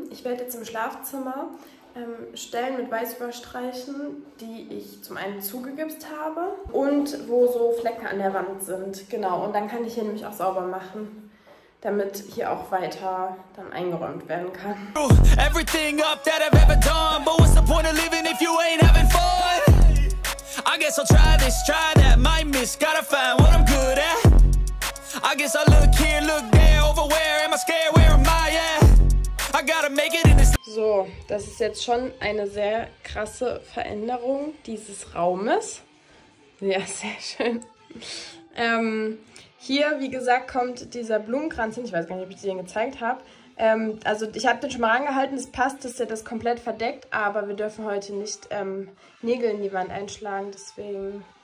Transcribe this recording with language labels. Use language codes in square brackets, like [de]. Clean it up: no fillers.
[de] Ich werde jetzt im Schlafzimmer Stellen mit Weiß überstreichen, die ich zum einen zugegipst habe und wo so Flecken an der Wand sind. Genau, und dann kann ich hier nämlich auch sauber machen, damit hier auch weiter dann eingeräumt werden kann. [en] Everything up that I've ever done, but what's the point of living if you ain't having fun? I guess I'll try this, try that, might miss, gotta find what I'm good at. I guess I'll look here, look there, over where am I scared, where am I at? I gotta make it in this. [de] So, das ist jetzt schon eine sehr krasse Veränderung dieses Raumes. Ja, sehr schön. Hier, wie gesagt, kommt dieser Blumenkranz hin. Ich weiß gar nicht, ob ich den gezeigt habe. Also ich habe den schon mal rangehalten, es passt, dass er das komplett verdeckt, aber wir dürfen heute nicht Nägel in die Wand einschlagen, deswegen.